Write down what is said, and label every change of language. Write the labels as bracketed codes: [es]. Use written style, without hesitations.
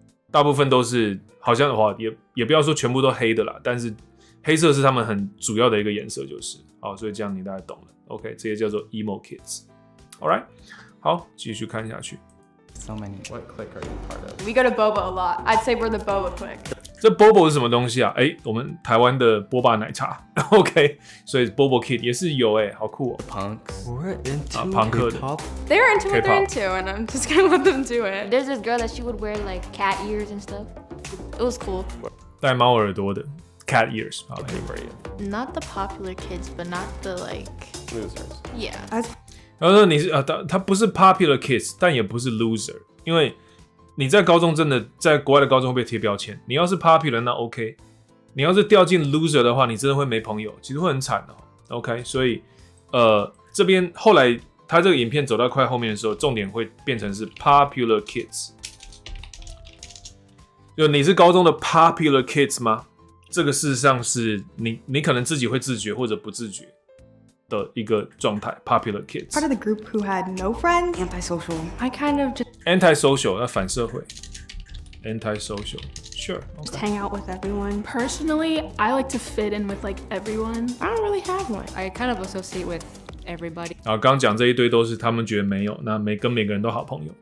[zh] 大部分都是好像的话，也不要说全部都黑的啦，但是黑色是他们很主要的一个颜色，就是好，所以这样你大概懂了 ，OK。这些叫做 emo kids， [en] all right， [zh] 好，继续看下去。 [en] So many. What clique are you part of? We go to boba a lot. I'd say we're the boba clique. [zh] 这 boba 是什么东西啊？哎，我们台湾的波霸奶茶 ，OK。所以 boba kid 也是有哎，好酷哦。 [en] Punks. We're into、 [zh] 朋克 [en] 的 K-pop. They're into what they're into, and I'm just gonna let them do it. There's this girl that she would wear like cat ears and stuff. It was cool. [zh] 戴猫耳朵的 cat ears. [en] How many were you? Not the popular kids, but not the like losers. Yeah. [zh] 然后说你是他不是 popular kids， 但也不是 loser， 因为你在高中真的在国外的高中会被贴标签。你要是 popular， 那 OK； 你要是掉进 loser 的话，你真的会没朋友，其实会很惨的、哦。 OK， 所以这边后来他这个影片走到快后面的时候，重点会变成是 popular kids， 就你是高中的 popular kids 吗？这个事实上是你可能自己会自觉或者不自觉。的一个状态 ，popular kids. [en] Part of the group who had no friends, antisocial. I kind of just antisocial, [zh] 那反社会 [en] ，antisocial. Sure.、Okay. Just hang out with everyone. Personally, I like to fit in with like everyone. I don't really have one. I kind of associate with everybody. [zh] 啊，刚讲这一堆都是他们觉得没有，那没跟每个人都好朋友。